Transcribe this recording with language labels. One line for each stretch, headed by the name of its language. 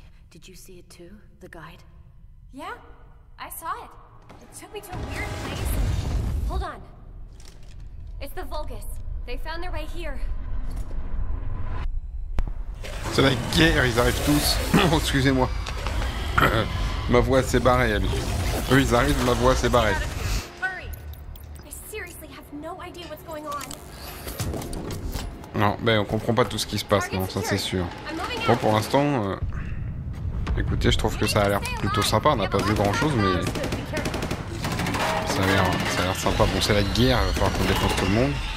English: Did you see it too, the guide? Yeah, I saw it. It took me to a weird place. Hold on. It's the Vulgus. They found their way here.
French: C'est la guerre, ils arrivent tous. Oh, excusez-moi. Ma voix s'est barrée, elle. Eux, ils arrivent, ma voix s'est barrée.
English: Hurry. I seriously have no idea what's going on.
French: Non, mais on comprend pas tout ce qui se passe, non, ça c'est sûr. Bon, pour l'instant... Écoutez, je trouve que ça a l'air plutôt sympa, on n'a pas vu grand-chose, mais ça a l'air sympa. Bon, c'est la guerre, il va falloir qu'on défonce tout le monde.